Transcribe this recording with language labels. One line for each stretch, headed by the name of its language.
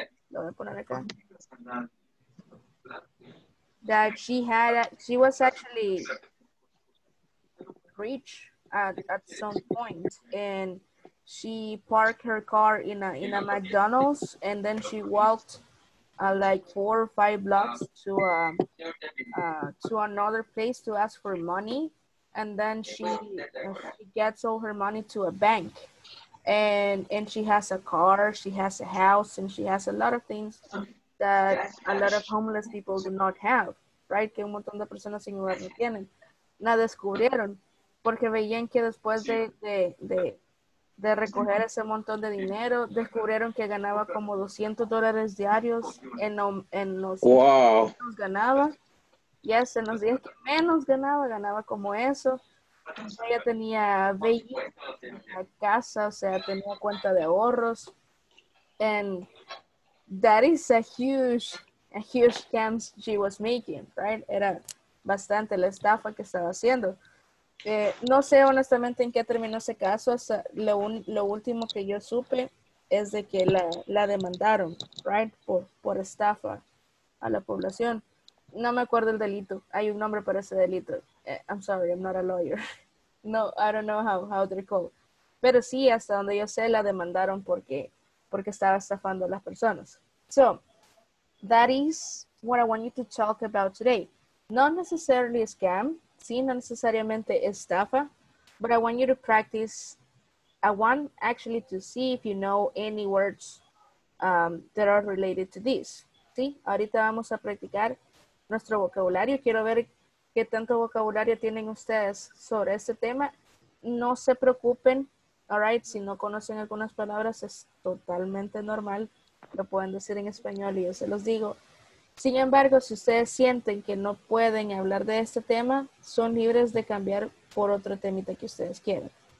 Spanish: Lo voy a poner acá.
English: That she was actually rich at some point, and she parked her car in a McDonald's, and then she walked like 4 or 5 blocks to another place to ask for money, and then she gets all her money to a bank, and she has a car, she has a house, and she has a lot of things that a lot of homeless people do not have, right?
Spanish: Que un montón de personas sin hogar no tienen. La descubrieron porque veían que después de recoger ese montón de dinero, descubrieron que ganaba como $200 diarios en los días que menos ganaba. Yes, en los días que menos ganaba, ganaba como eso. Entonces ella tenía vehículo, casa, o sea, tenía cuenta de ahorros.
English: And that is a huge scams she was making, right?
Spanish: Era bastante la estafa que estaba haciendo. No sé honestamente en qué terminó ese caso, hasta lo último que yo supe es de que la demandaron, right? Por estafa a la población. No me acuerdo el delito, hay un nombre para ese delito.
English: I'm sorry, I'm not a lawyer. No, I don't know how they're called.
Spanish: Pero sí, hasta donde yo sé, la demandaron porque estaba estafando a las personas.
English: So, that is what I want you to talk about today. Not necessarily a scam,
Spanish: sí, no necesariamente estafa,
English: but I want you to practice, I want actually to see if you know any words that are related to this.
Spanish: Sí, ahorita vamos a practicar nuestro vocabulario. Quiero ver qué tanto vocabulario tienen ustedes sobre este tema. No se preocupen,
English: all right,
Spanish: si no conocen algunas palabras, es totalmente normal. Lo pueden decir en español y yo se los digo. Sin embargo, si ustedes sienten que no pueden hablar de este tema, son libres de cambiar por otro temita que ustedes quieran.